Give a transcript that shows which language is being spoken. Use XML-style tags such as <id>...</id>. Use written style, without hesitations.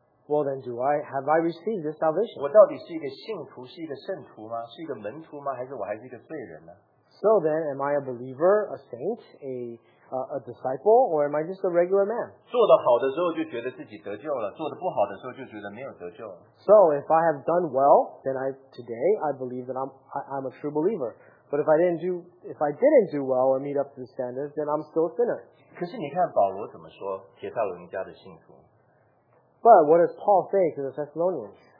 <en>Well then, have I received this salvation?</en> <zh>我到底是一个信徒, 是一个圣徒吗? 是一个门徒吗?还是我还是一个罪人呢?</zh> <en>So then, am I a believer, a saint, a disciple, or am I just a regular man?</en> <zh>做得好的时候就觉得自己得救了, 做得不好的时候就觉得没有得救了。</zh> <en>So if I have done well, then today I believe that I'm a true believer. But if I didn't do well or meet up to the standards, then I'm still a sinner.</en> <zh>可是你看保罗怎么说, 帖撒罗尼迦的信徒。</zh> <en>But what does Paul say to the Thessalonians?</en>